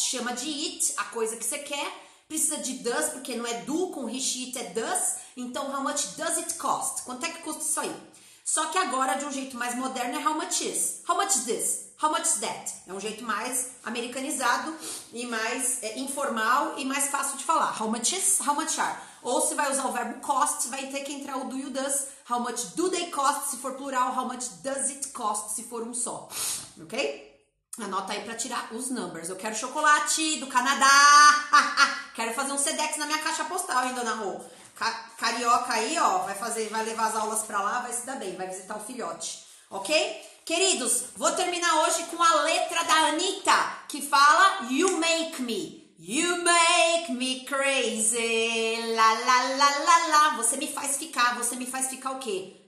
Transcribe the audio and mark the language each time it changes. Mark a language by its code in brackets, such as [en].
[pt] Chama de it, a coisa que você quer. Precisa de does, porque não é do com he/she, é does. Então, [en] how much does it cost? [pt] Quanto é que custa isso aí? Só que agora, de um jeito mais moderno, é [en] how much is? How much is this? How much is that? [pt] É um jeito mais americanizado e mais informal e mais fácil de falar. [en] How much is? How much are? [pt] Ou se vai usar o verbo cost, vai ter que entrar o do e o does. [en] How much do they cost, [pt] se for plural? [en] How much does it cost, [pt] se for um só? [en] Ok? [pt] Anota aí para tirar os numbers. Eu quero chocolate do Canadá. Quero fazer um Sedex na minha caixa postal, hein, dona Rô? Carioca aí, ó, vai levar as aulas para lá, vai se dar bem, vai visitar o filhote. Ok? Queridos, vou terminar hoje com a letra da Anitta, que fala [en] you make me crazy, [pt] la la la la la, você me faz ficar o quê?